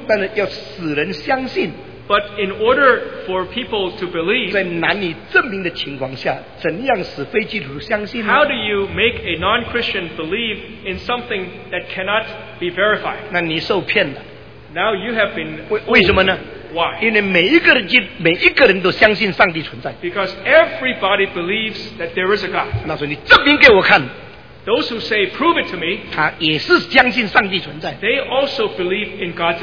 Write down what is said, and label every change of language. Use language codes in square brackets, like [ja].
[zh] 但是要使人相信, [en] but in order for people to believe, [zh] 在难以证明的情况下, [en] how do you make a non-Christian believe in something that cannot be verified? [zh] 那你受骗了, [en] now you have been fooled. [zh] 为什么呢? [en] Why? [zh] 因为每一个人都相信上帝存在, [en] because everybody believes that there is a God. [zh] 那时候你证明给我看, [en] those who say, prove it to me, they also believe in God's existence.